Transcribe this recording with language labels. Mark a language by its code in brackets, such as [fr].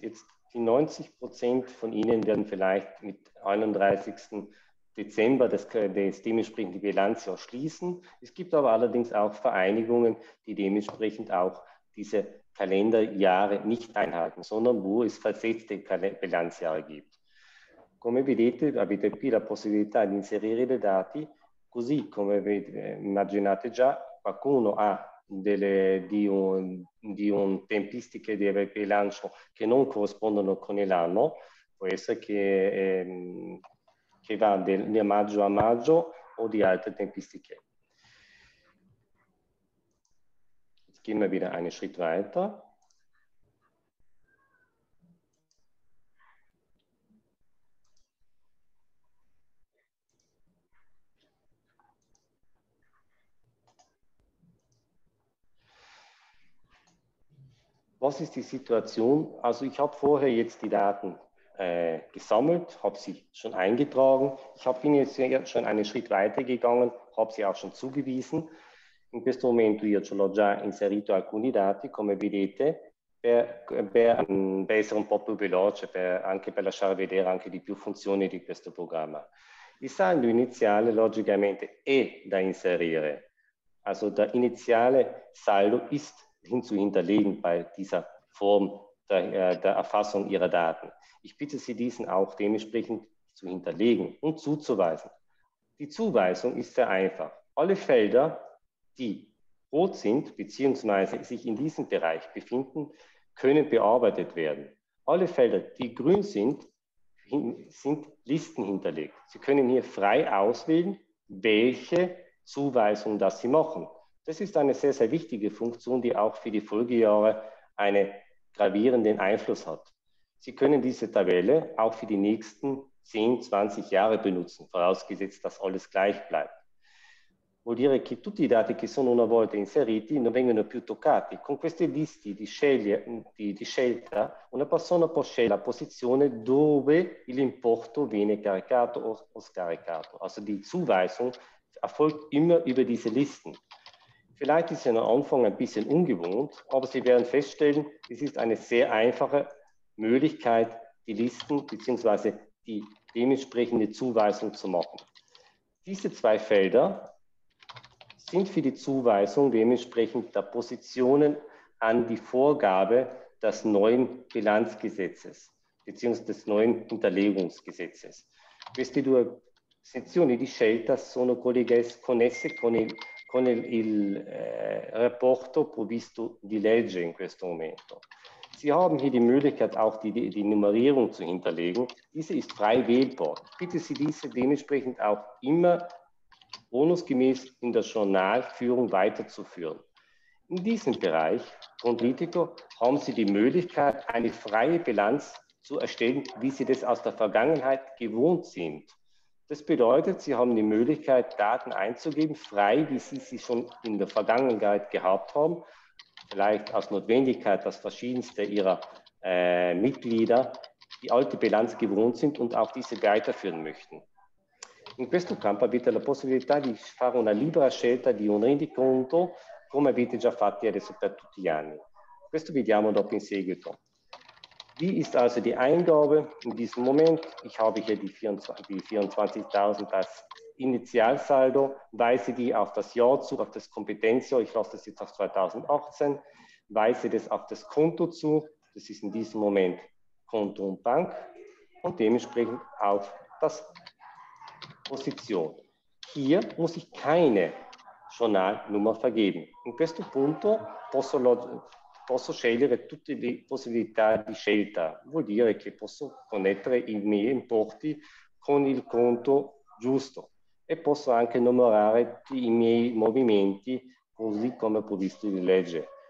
[de] Jetzt die 90% von Ihnen werden vielleicht mit 31. Dezember das dementsprechende Bilanzjahr schließen. Es gibt aber allerdings auch Vereinigungen, die dementsprechend auch diese Kalenderjahre nicht einhalten, sondern wo es versetzte Bilanzjahre gibt. [it] Come vedete, avete qui la possibilità di inserire dei dati, così come immaginate già, qualcuno ha di un tempistiche di bilancio che non corrispondono con l'anno, può essere che va da maggio a maggio o di altre tempistiche. [de] Jetzt gehen wir wieder einen Schritt weiter. Was ist die Situation? Also ich habe vorher jetzt die Daten gesammelt, habe sie schon eingetragen. Ich bin jetzt schon einen Schritt weiter gegangen, habe sie auch schon zugewiesen. [it] In questo momento io ce l'ho già inserito alcuni dati, come vedete, per essere un po' più veloce, anche per lasciare vedere anche di più funzioni di questo programma. Il saldo iniziale, logicamente, è da inserire. [de] Also der [it] iniziale saldo [de] ist hinzuhinterlegen bei dieser Form der Erfassung ihrer Daten. Ich bitte Sie, diesen auch dementsprechend zu hinterlegen und zuzuweisen. Die Zuweisung ist sehr einfach. Alle Felder, die rot sind bzw. sich in diesem Bereich befinden, können bearbeitet werden. Alle Felder, die grün sind, sind Listen hinterlegt. Sie können hier frei auswählen, welche Zuweisung das Sie machen. Das ist eine sehr, sehr wichtige Funktion, die auch für die Folgejahre einen gravierenden Einfluss hat. Sie können diese Tabelle auch für die nächsten 10, 20 Jahre benutzen, vorausgesetzt, dass alles gleich bleibt. [it] Vuol dire che tutti i dati che sono una volta inseriti non vengono più toccati. Con queste liste di scelta, una persona può scegliere la posizione dove l'importo viene caricato o scaricato. [de] Also die Zuweisung erfolgt immer über diese Listen. Vielleicht ist es am Anfang ein bisschen ungewohnt, aber Sie werden feststellen, es ist eine sehr einfache Möglichkeit, die Listen bzw. die dementsprechende Zuweisung zu machen. Diese zwei Felder sind für die Zuweisung dementsprechend der Positionen an die Vorgabe des neuen Bilanzgesetzes bzw. des neuen Hinterlegungsgesetzes. [it] Queste due sezioni di scelta sono connesse con il rapporto provvisto di legge in questo momento. [de] Sie haben hier die Möglichkeit, auch die Nummerierung zu hinterlegen. Diese ist frei wählbar. Bitte Sie diese dementsprechend auch immer bonusgemäß in der Journalführung weiterzuführen. In diesem Bereich, Conditico, haben Sie die Möglichkeit, eine freie Bilanz zu erstellen, wie Sie das aus der Vergangenheit gewohnt sind. Das bedeutet, Sie haben die Möglichkeit, Daten einzugeben, frei, wie Sie sie schon in der Vergangenheit gehabt haben. Vielleicht aus Notwendigkeit, das verschiedenste ihrer Mitglieder, die alte Bilanz gewohnt sind und auch diese weiterführen möchten. [it] In questo campo avete la possibilità di fare una libera scelta di un rendiconto come avete già fatto adesso per tutti gli anni. Questo vediamo dopo in seguito. [de] Wie ist also die Eingabe in diesem Moment? Ich habe hier die 24.000 als Initialsaldo, weise die auf das Jahr zu, auf das Kompetenzjahr, ich lasse das jetzt auf 2018, weise das auf das Konto zu, das ist in diesem Moment Konto und Bank und dementsprechend auf das Position. Hier muss ich keine Journalnummer vergeben. [it] In questo punto posso scegliere tutte le possibilità di scelta, vuol dire che posso connettere i miei importi con il conto giusto e posso anche numerare i miei movimenti così come previsto in legge.